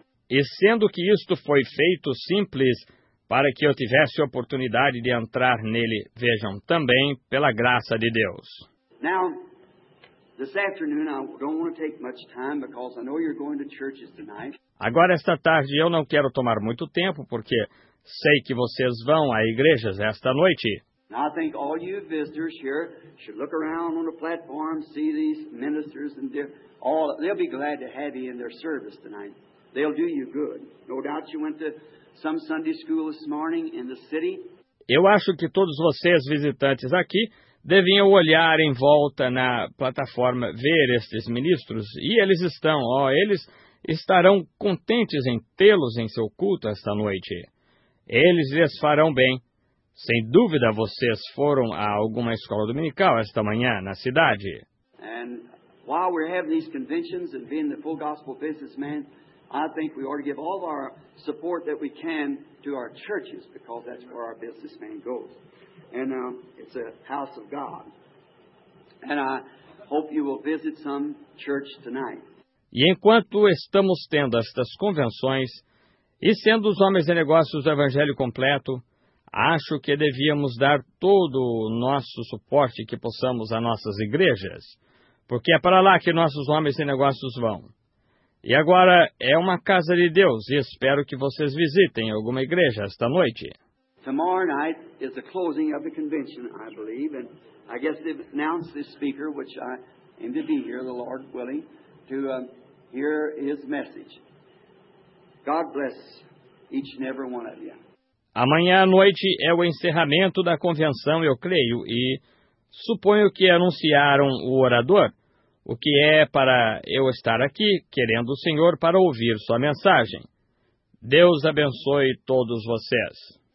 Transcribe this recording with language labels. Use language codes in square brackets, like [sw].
[pt] E E sendo que isto foi feito simples para que eu tivesse a oportunidade de entrar nele, vejam, também pela graça de Deus. [en] Now, this afternoon, I don't want to take much time because I know you're going to churches tonight. [pt] Agora, esta tarde, eu não quero tomar muito tempo porque sei que vocês vão a igrejas esta noite. [en] Now, I think all you visitors here should look around on the platform, see these ministers, and they'll be glad to have you in their service tonight. They'll do you good. No doubt you went to some Sunday school this morning in the city. [pt] Eu acho que todos vocês, visitantes aqui, deviam olhar em volta na plataforma, ver estes ministros, e eles estão, ó, eles estarão contentes em tê-los em seu culto esta noite. Eles lhes farão bem. Sem dúvida, vocês foram a alguma escola dominical esta manhã na cidade. [en] And while we're having these conventions and being the full gospel businessman, I think we ought to give all our support that we can to our churches, because that's where our businessman goes. And it's a house of God. And I hope you will visit some church tonight. [pt] E enquanto estamos tendo estas convenções, e sendo os homens de negócios do Evangelho completo, acho que devíamos dar todo o nosso suporte que possamos a nossas igrejas, porque é para lá que nossos homens de negócios vão. E agora é uma casa de Deus, e espero que vocês visitem alguma igreja esta noite. [en] Tomorrow night is the closing of the convention, I believe, and I guess they've announced this speaker, which I aim to be here, the Lord willing, to hear his message. God bless each and every one of you. [pt] Amanhã à noite é o encerramento da convenção, eu creio, e suponho que anunciaram o orador, o que é para eu estar aqui, querendo o Senhor, para ouvir sua mensagem. Deus abençoe todos vocês.